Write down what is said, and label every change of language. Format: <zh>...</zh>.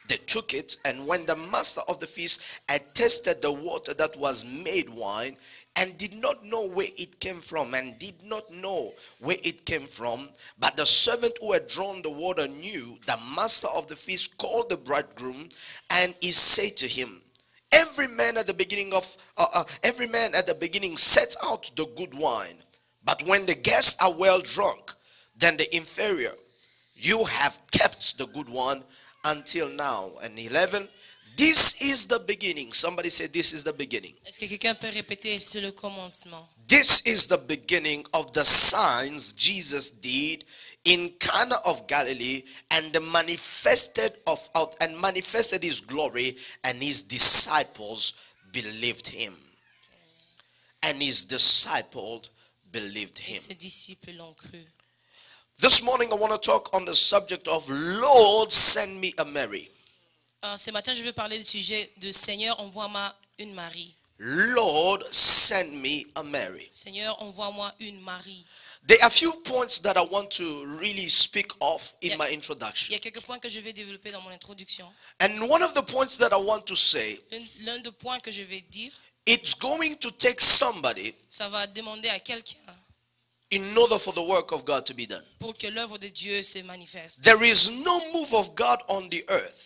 <en>They took it, and when the master of the feast had tested the water that was made wine and did not know where it came from and did not know where it came from, but the servant who had drawn the water knew, the master of the feast called the bridegroom and he said to him, every man at the beginning sets out the good wine, but when the guests are well drunk, then the inferior, you have kept the good one until now. And 11, this is the beginning. Somebody say, this is the beginning.</en> <fr>Est-ce que quelqu'un peut répéter, c'est le commencement?</fr> <en>This is the beginning of the signs Jesus did in Cana of Galilee and manifested his glory, and his disciples believed him. And his disciples believed him.</en> <fr>Et ses disciples l'ont cru.</fr> <en>This morning I want to talk on the subject of Lord, send me a Mary.</en> <fr>Ce matin je veux parler du sujet de Seigneur, envoie-moi une Marie.</fr> <en>Lord, send me a Mary.</en> <fr>Seigneur, envoie-moi une Marie.</fr> <en>There are a few points that I want to really speak of in my introduction.</en> <fr>Il y a quelques points que je vais développer dans mon introduction.</fr> <en>And one of the points that I want to say.</en> <fr>L'un des points que je vais dire.</fr> <en>It's going to take somebody.</en> <fr>Ça va demander à quelqu'un.</fr> <en>in order for the work of God to be done.</en> <fr>Pour que l'œuvre de Dieu se manifeste.</fr> <en>There is no move of God on the earth.</en>